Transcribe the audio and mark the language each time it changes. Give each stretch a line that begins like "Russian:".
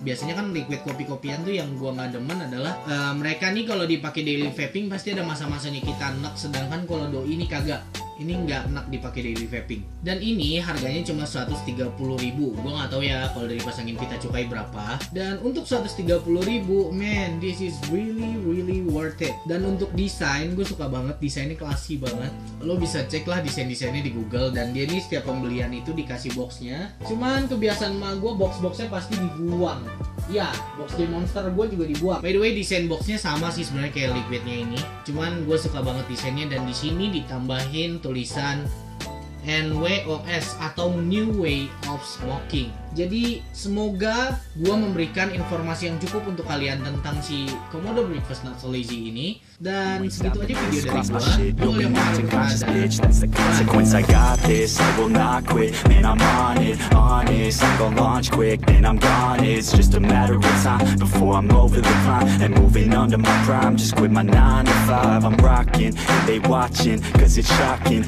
Indonesian: Biasanya kan liquid kopi-kopian tuh yang gue nggak demen adalah mereka nih kalau dipakai daily vaping pasti ada masa-masanya kita enak, sedangkan kalau doi ini kagak. Ini nggak enak dipakai daily vaping. Dan ini harganya cuma 130.000. Gue nggak tahu ya kalau dari pasangin kita cukai berapa. Dan untuk 130.000,
English: man, this is really really worth it.
Indonesian: Dan untuk desain, gue suka banget desainnya, classy banget. Lo bisa cek lah desainnya di Google. Dan dia ini setiap pembelian itu dikasih boxnya. Cuman kebiasaan mah gue box-boxnya pasti dibuang. Ya, box game monster gue juga dibuang.
English: By the way,
Indonesian: desain boxnya sama sih sebenarnya kayak liquidnya ini. Cuman gue suka banget desainnya, dan di sini ditambahin tulisan NWOS atau New Way of Smoking. Jadi semoga gue memberikan informasi yang cukup untuk kalian tentang si Komodo Breakfast Not So Lazy ini. Dan segitu aja video dari gue.
English: Sequence, I got this, I will not quit. Man, I'm on it, honest. I'm gonna launch quick, then I'm gone. It's just a matter of time before I'm over the climb and moving under my prime. Just quit my 9 to 5. I'm rocking, they watching, cause it's shocking.